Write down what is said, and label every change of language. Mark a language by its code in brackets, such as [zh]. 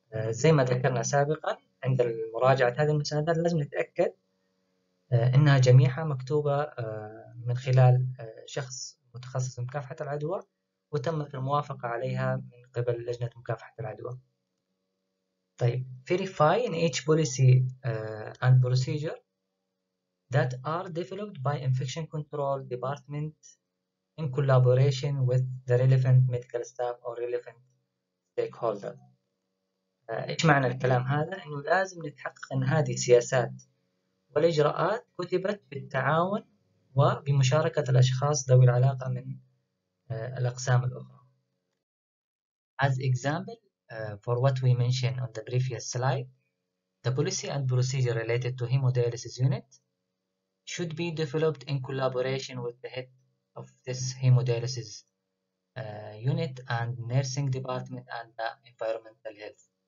[ar] زي ما ذكرنا سابقا، عند مراجعة هذه المستندات لازم نتأكد إنها جميعها مكتوبة من خلال شخص متخصص في مكافحة العدوى وتمت الموافقة عليها من قبل لجنة مكافحة العدوى. [en] طيب، verify in each policy and procedure that are developed by infection control department in collaboration with the relevant medical staff or relevant stakeholder. [ar] إيش معنى الكلام هذا؟ إنه لازم نتحقق إن هذه السياسات والإجراءات كتبت بالتعاون وبمشاركة الأشخاص ذوي العلاقة من الأقسام الأخرى. [en] As example for what we mentioned on the previous slide, the policy and procedure related to hemodialysis unit should be developed in collaboration with the head of this hemodialysis unit and nursing department and the environmental health.